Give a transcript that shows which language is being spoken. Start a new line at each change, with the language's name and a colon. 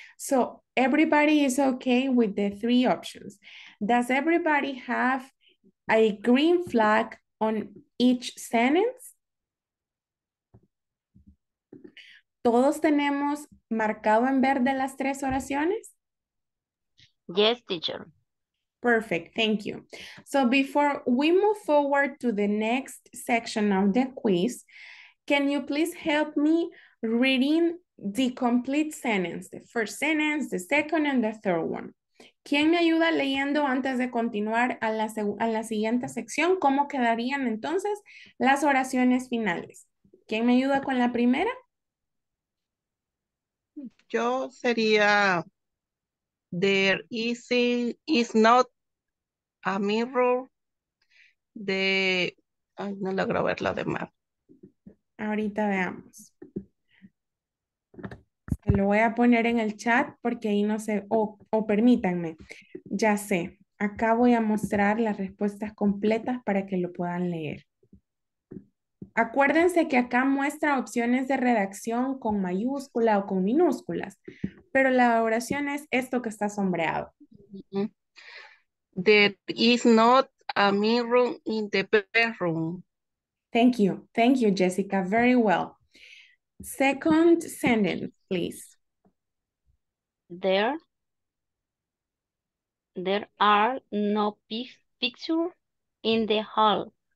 English: So, everybody is okay with the three options. Does everybody have a green flag on each
Spanish: ¿Todos tenemos marcado en verde las tres oraciones?
English: Yes, teacher. Perfect, thank you. So, before we move forward to the next section of the quiz, can you please help me reading the complete sentence, the first sentence, the second and the third one.
Spanish: ¿Quién me ayuda leyendo antes de continuar a la siguiente sección? ¿Cómo quedarían entonces las oraciones finales? ¿Quién me ayuda con la primera? Yo sería,
English: there is not a mirror
Spanish: de, ay, no logro ver la demás. Ahorita veamos. Lo voy a poner en el chat porque ahí no sé, o permítanme, ya sé, acá voy a mostrar las respuestas completas para que lo puedan leer. Acuérdense que acá muestra opciones de redacción con mayúscula o con minúsculas, pero la oración es esto que está sombreado.
English: There is not a mirror in the bedroom. Thank you, Jessica, very well. Second sentence, please. There are no pictures in the hall.